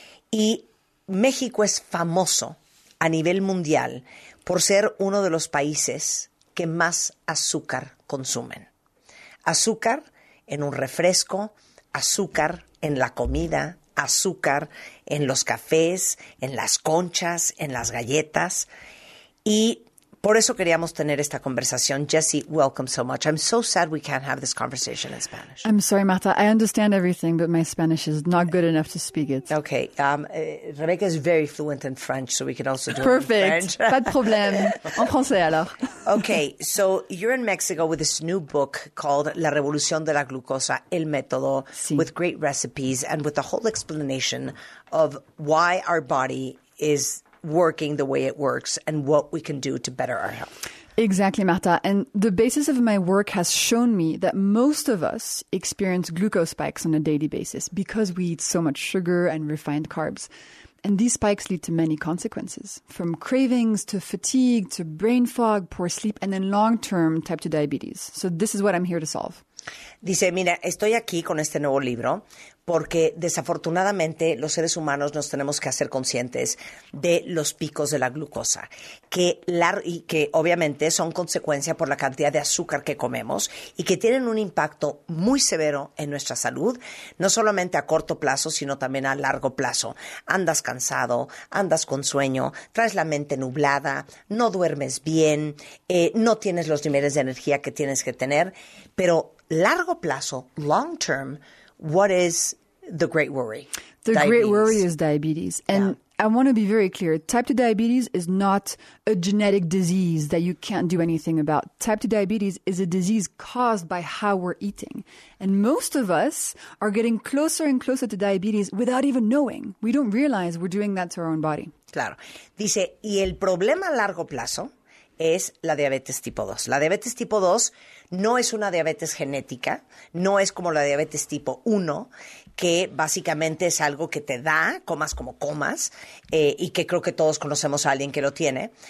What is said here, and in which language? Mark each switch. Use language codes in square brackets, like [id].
[es] Y México es famoso a nivel mundial por ser uno de los países que más azúcar consumen. Azúcar en un refresco, azúcar en la comida, azúcar en los cafés, en las conchas, en las galletas. Y por eso queríamos tener esta conversación. [en] Jessie, welcome so much. I'm so sad we can't have this conversation in Spanish. I'm sorry, Marta. I understand everything, but my Spanish is not good enough to speak it. Okay. Rebecca is very fluent in French, so we can also do perfect. It in French. [fr] Pas de problème. En français, alors. [en] Okay. So you're in Mexico with this new book called La Revolución de la Glucosa, El Método, sí. With great recipes and with the whole explanation of why our body is working the way it works and what we can do to better our health. Exactly, Marta. And the basis of my work has shown me that most of us experience glucose spikes on a daily basis because we eat so much sugar and refined carbs. And these spikes lead to many consequences, from cravings to fatigue to brain fog, poor sleep, and then long-term type 2 diabetes. So this is what I'm here to solve. [es] Dice, mira, estoy aquí con este nuevo libro porque desafortunadamente los seres humanos nos tenemos que hacer conscientes de los picos de la glucosa, que obviamente son consecuencia por la cantidad de azúcar que comemos y que tienen un impacto muy severo en nuestra salud, no solamente a corto plazo, sino también a largo plazo. Andas cansado, andas con sueño, traes la mente nublada, no duermes bien, no tienes los niveles de energía que tienes que tener, pero largo plazo, [en] long term, what is the great worry? The diabetes. Great worry is diabetes. And yeah. I want to be very clear. Type 2 diabetes is not a genetic disease that you can't do anything about. Type 2 diabetes is a disease caused by how we're eating. And most of us are getting closer and closer to diabetes without even knowing. We don't realize we're doing that to our own body. [es] Claro. Dice, y el problema a largo plazo es la diabetes tipo 2. La diabetes tipo 2 no es una diabetes genética, no es como la diabetes tipo 1, que básicamente es algo que te da, comas como comas, y que creo que todos conocemos a alguien que lo tiene.